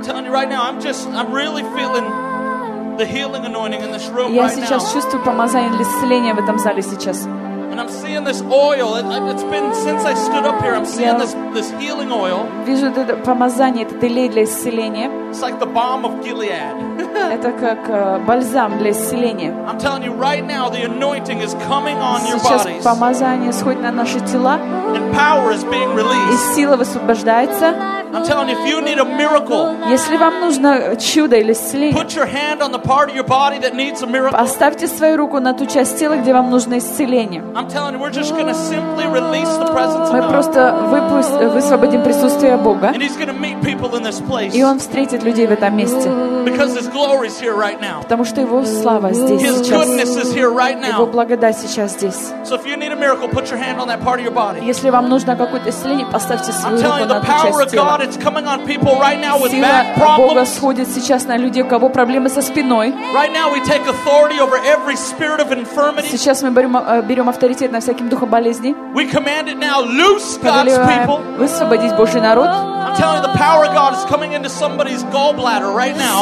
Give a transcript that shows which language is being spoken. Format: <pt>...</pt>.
<en>Right now, I'm really feeling the healing anointing in this room right now.</en> <ru>Я сейчас чувствую помазание для исцеления в этом зале сейчас.</ru> <en>And I'm seeing this oil. It's been since I stood up here. I'm seeing this healing oil.</en> <ru>Вижу это помазание, этот элей для исцеления.</ru> <en>It's like the balm of Gilead.</en> <ru>Это как бальзам для исцеления.</ru> <en>I'm telling you right now, the anointing is coming on your bodies.</en> <ru>Сейчас помазание сходит на наши тела.</ru> <en>And power is being released.</en> <ru>И сила высвобождается.</ru> <en>I'm telling you, if you need a miracle,</en> <ru>если вам нужно чудо или исцеление,</ru> <en>put your hand on the part of your body that needs a miracle.</en> <ru>Поставьте свою руку на ту часть тела, где вам нужно исцеление.</ru> <en>I'm telling you, we're just going to simply release the presence of God.</en> <ru>Мы просто высвободим присутствие Бога.</ru> <en>And He's going to meet people in this place.</en> <ru>И Он встретит людей в этом месте.</ru> <en>Because His glory is here right now.</en> <ru>Потому что Его слава здесь</ru> <en>His</en> <ru>сейчас.</ru> <en>His goodness is here right now.</en> <ru>Его благодать сейчас здесь.</ru> <en>So if you need a miracle, put your hand on that part of your body.</en> <ru>Если вам нужно какое-то исцеление, поставьте свою руку на ту часть тела.</ru> <en>I'm telling you, the power of God. It's coming on people right now with back problems.</en> <ru>Сила Бога сходит сейчас на людей, у кого проблемы со спиной.</ru> <en>Right now we take authority over every spirit of infirmity.</en> <ru>Сейчас мы берем авторитет на всяким духом болезни.</ru> <en>We command it now, loose God's people.</en> <ru>Высвободить Божий народ.</ru> <en>I'm telling you, the power of God is coming into somebody's gallbladder right now.</en>